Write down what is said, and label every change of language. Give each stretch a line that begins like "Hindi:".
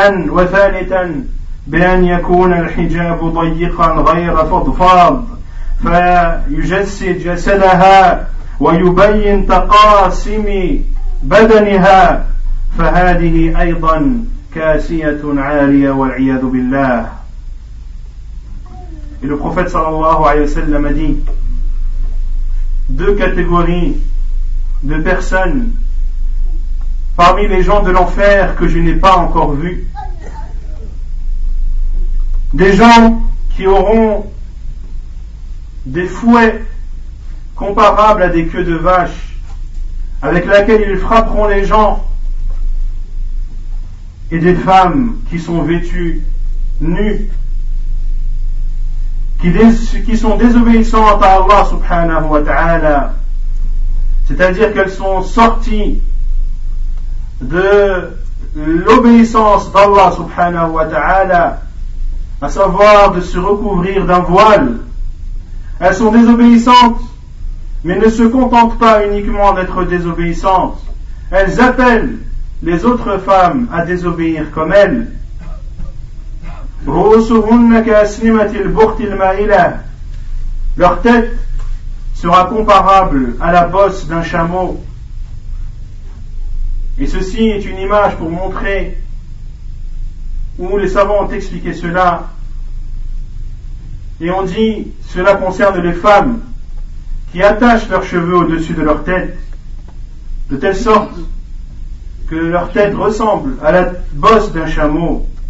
Arabic: وثالثا بأن يكون الحجاب ضيقا غير فضفاض، فيجسد جسدها ويبين تقاسم بدنها، فهذه أيضا كاسية عارية والعياذ بالله.
French: Et le prophète sallallahu alayhi wa sallam a dit: deux catégories de personnes parmi les gens de l'enfer que je n'ai pas encore vus. Des gens qui auront des fouets comparables à des queues de vache, avec lesquels ils frapperont les gens, et des femmes qui sont vêtues nues, qui sont désobéissantes à Allah subhanahu wa ta'ala, c'est-à-dire qu'elles sont sorties de l'obéissance d'Allah subhanahu wa ta'ala, à savoir de se recouvrir d'un voile. Elles sont désobéissantes, mais ne se contentent pas uniquement d'être désobéissantes. Elles appellent les autres femmes à désobéir comme elles.
Arabic: رؤوسهن كأسنمة البخت المائلة.
French: Leur tête sera comparable à la bosse d'un chameau. Et ceci est une image pour montrer, où les savants ont expliqué cela, et on dit cela concerne les femmes qui attachent leurs cheveux au-dessus de leur tête de telle sorte que leur tête ressemble à la bosse d'un chameau.